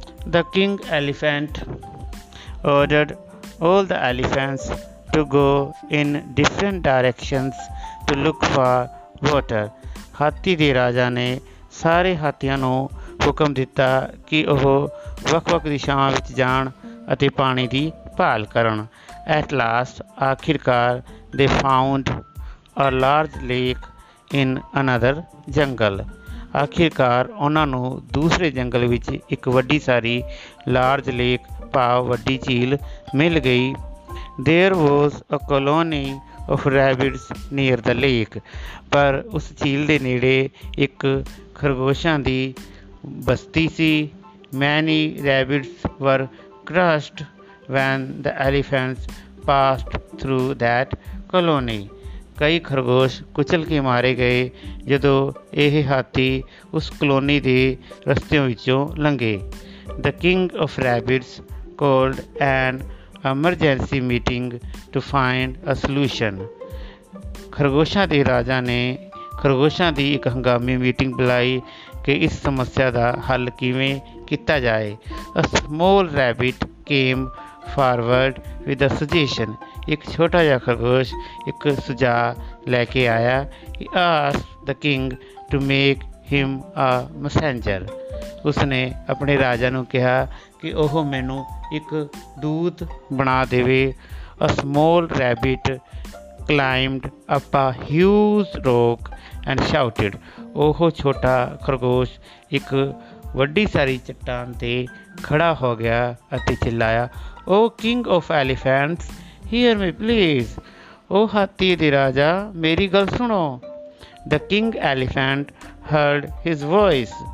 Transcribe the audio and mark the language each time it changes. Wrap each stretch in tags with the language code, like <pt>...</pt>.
<en>The king elephant ordered all the elephants to go in different directions to look for water.</en> <pa>ਹਾਥੀ ਦੇ ਰਾਜਾ ਨੇ ਸਾਰੇ ਹਾਥੀਆਂ ਨੂੰ ਹੁਕਮ ਦਿੱਤਾ ਕਿ ਉਹ ਵੱਖ-ਵੱਖ ਦਿਸ਼ਾਵਾਂ ਵਿੱਚ ਜਾਣ ਅਤੇ ਪਾਣੀ ਦੀ ਭਾਲ ਕਰਨ.</pa> <en>At last,</en> <pa>ਆਖਿਰਕਾਰ,</pa> <en>they found a large lake in another jungle.</en> <pa>ਆਖਿਰਕਾਰ ਉਹਨਾਂ ਨੂੰ ਦੂਸਰੇ ਜੰਗਲ ਵਿੱਚ ਇੱਕ ਵੱਡੀ ਸਾਰੀ</pa> <en>large lake</en> <pa>ਭਾਵ ਵੱਡੀ ਝੀਲ ਮਿਲ ਗਈ.</pa> <en>There was a colony of rabbits near the lake.</en> <pa>ਪਰ ਉਸ ਝੀਲ ਦੇ ਨੇੜੇ ਇੱਕ ਖਰਗੋਸ਼ਾਂ ਦੀ ਬਸਤੀ ਸੀ.</pa> <en>Many rabbits were crushed when the elephants passed through that colony.</en> <pa>ਕਈ ਖਰਗੋਸ਼ ਕੁਚਲ ਕੇ ਮਾਰੇ ਗਏ ਜਦੋਂ ਇਹ ਹਾਥੀ ਉਸ ਕਲੋਨੀ ਦੇ ਰਸਤਿਆਂ ਵਿੱਚੋਂ ਲੰਘੇ.</pa> <en>The king of rabbits called an emergency meeting to find a solution.</en> <pa>ਖਰਗੋਸ਼ਾਂ ਦੇ ਰਾਜਾ ਨੇ ਖਰਗੋਸ਼ਾਂ ਦੀ ਇੱਕ ਹੰਗਾਮੀ ਮੀਟਿੰਗ ਬੁਲਾਈ ਕਿ ਇਸ ਸਮੱਸਿਆ ਦਾ ਹੱਲ ਕਿਵੇਂ ਕੀਤਾ ਜਾਏ.</pa> <en>A small rabbit came forward with a suggestion.</en> <pa>ਇੱਕ ਛੋਟਾ ਜਿਹਾ ਖਰਗੋਸ਼ ਇੱਕ ਸੁਝਾਅ ਲੈ ਕੇ ਆਇਆ.</pa> <en>Asked the king to make him a messenger.</en> <pa>ਉਸਨੇ ਆਪਣੇ ਰਾਜਾ ਨੂੰ ਕਿਹਾ ਕਿ ਉਹ ਮੈਨੂੰ ਇੱਕ ਦੂਤ ਬਣਾ ਦੇਵੇ.</pa> <en>A small rabbit climbed up a huge rock and shouted.</en> <pa>ਉਹ ਛੋਟਾ ਖਰਗੋਸ਼ ਇੱਕ ਵੱਡੀ ਸਾਰੀ ਚੱਟਾਨ 'ਤੇ ਖੜ੍ਹਾ ਹੋ ਗਿਆ ਅਤੇ ਚਿੱਲਾਇਆ,</pa> <en>O king of elephants, hear me please.</en> <pa>ਓ ਹਾਥੀ ਦੇ ਰਾਜਾ, ਮੇਰੀ ਗੱਲ ਸੁਣੋ.</pa> <en>The king elephant heard his voice.</en>